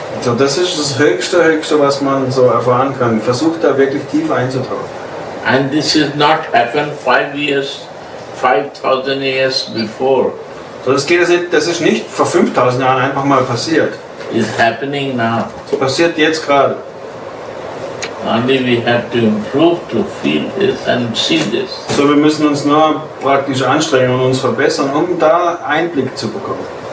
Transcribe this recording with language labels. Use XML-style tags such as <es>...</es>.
<de>So, das ist das höchste, was man so erfahren kann. Versucht da wirklich tief einzutauchen.</de> <en>And this is not happened 5,000 years before.</en> <de>So, das ist nicht vor 5000 Jahren einfach mal passiert.</de> <en>Is happening now.</en> <de>So, passiert jetzt gerade.</de> <en>Only we have to improve to feel this and see this.</en> <de>So, wir müssen uns nur praktisch anstrengen und uns verbessern, um da Einblick zu bekommen.</de>